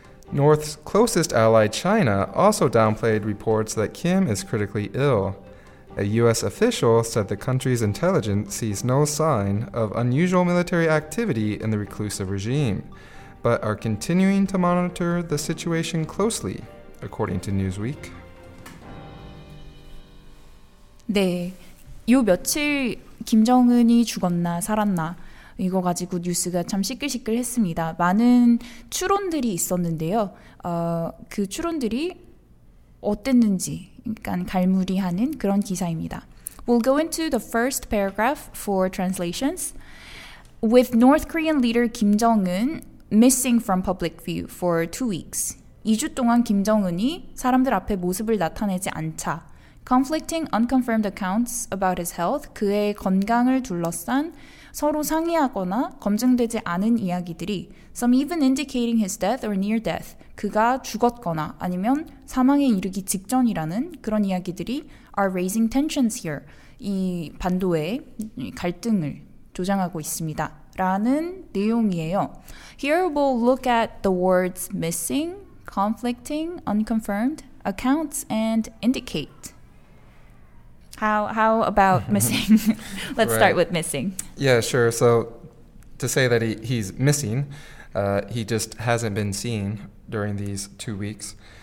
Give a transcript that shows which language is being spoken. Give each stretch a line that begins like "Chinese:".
English: North's closest ally, China, also downplayed reports that Kim is critically ill. A U.S. official said the country's intelligence sees no sign of unusual military activity in the reclusive regime, but are continuing to monitor the situation closely, according to Newsweek.
Korean: 네, 요 며칠 김정은이 죽었나 살았나? 이거 가지고 뉴스가 참 시끌시끌했습니다. 많은 추론들이 있었는데요. 그 추론들이 어땠는지 약간 갈무리하는 그런 기사입니다.
English: We'll go into the first paragraph for translations. With North Korean leader Kim Jong-un missing from public view for 2 weeks.
Korean: 2주 동안 김정은이 사람들 앞에 모습을 나타내지 않자.
English: Conflicting unconfirmed accounts about his health.
Korean: 그의 건강을 둘러싼 서로 상의하거나 검증되지 않은 이야기들이
English: some even indicating his death or near death
Korean: 그가 죽었거나 아니면 사망에 이르기 직전이라는 그런 이야기들이
English: are raising tensions here
Korean: 이 반도에 갈등을 조장하고 있습니다 라는 내용이에요
English: Here we'll look at the words missing, conflicting, unconfirmed, accounts, and indicate How about missing? Let's right. start with missing. Yeah, sure. So to say that he's missing, he just hasn't been seen during these 2 weeks.